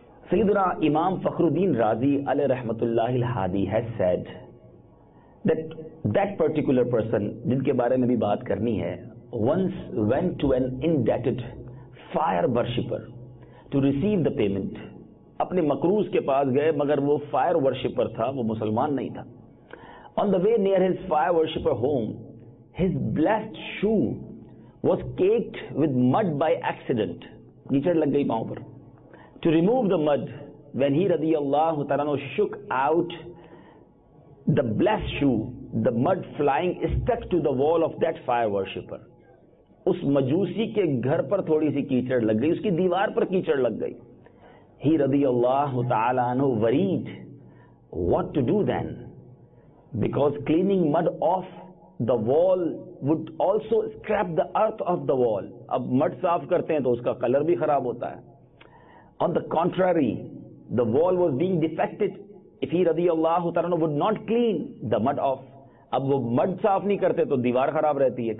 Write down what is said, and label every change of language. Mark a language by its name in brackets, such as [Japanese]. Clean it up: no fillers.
[English] سیدنا امام فخر الدین رازی علیہ رحمۃ اللہ الحادی has said that particular person [Urdu] جن کے بارے میں بھی بات کرنی ہے, [English] once went to an indebted fire worshipper to receive the payment. [Urdu] اپنے مکروز کے پاس گئے مگر وہ فائر ورشپر تھا, وہ مسلمان نہیں تھا. [English] On the way near his fire worshipper home, his blessed shoe was caked with mud by accident. [Urdu] کیچڑ لگ گئی پاؤں پر. [English] To remove the mud, when he رضی اللہ تعالیٰ عنہ shook out the blessed shoe, the mud flying stuck to the wall of that fire worshipper. [Urdu] اس مجوسی کے گھر پر تھوڑی سی کیچڑ لگ گئی, اس کی دیوار پر کیچڑ لگ گئی. [English] He رضی اللہ تعالیٰ عنہ worried what to do then, because cleaning mud off the wall would also scrap the earth off the wall. [Urdu] اب مڈ صاف کرتے ہیں تو اس کا کلر بھی خراب ہوتا ہے. [English] On the contrary, the wall was being defected. If he رضی اللہ تعالیٰ عنہ would not clean the mud off, [Urdu] اب وہ مڈ صاف نہیں کرتے تو دیوار خراب رہتی ہے.